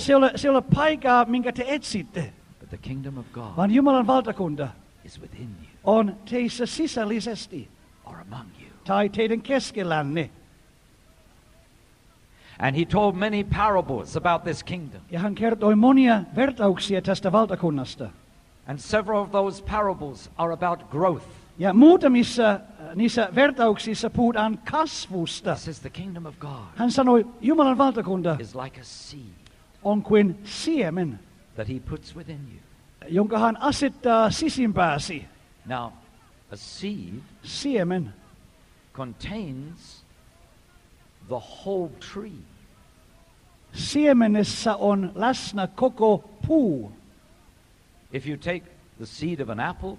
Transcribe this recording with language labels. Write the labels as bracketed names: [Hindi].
[Finnish] Se ei ole paikaa, minkä te etsitte. [English] But the kingdom of God. [Finnish] Vaan Jumalan valtakunta. [English] Is within you. [Finnish] On teissä sisällisesti. [English] Or among you. [Finnish] Tai teidän keskellänne. [English] And he told many parables about this kingdom. [Finnish] Ja hän kertoi monia vertauksia tästä valtakunnasta. [English] And several of those parables are about growth. [Finnish] Ja muutamissa niissä vertauksissa puhutaan kasvusta. [English] He says the kingdom of God. [Finnish] Hän sanoi Jumalan valtakunta [English] is like a seed. [Finnish] On kuin siemen. [English] That he puts within you. [Finnish] Jonka hän asettaa sisimpääsi. [English] Now, a seed. [Finnish] Siemen. [English] Contains. The whole tree. [Finnish] Siemenessä on läsnä koko puu. [English] If you take the seed of an apple,